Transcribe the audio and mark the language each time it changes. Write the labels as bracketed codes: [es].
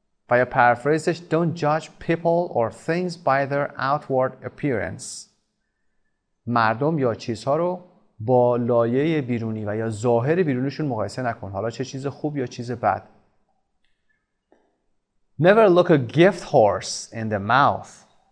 [fa] و یا پرفریزش: [en] Don't judge people or things by their outward appearance. [fa] مردم یا چیزها رو با لایه بیرونی و یا ظاهر بیرونشون مقایسه نکن، حالا چه چیز خوب یا چیز بد. [en] Never look a gift horse in the mouth.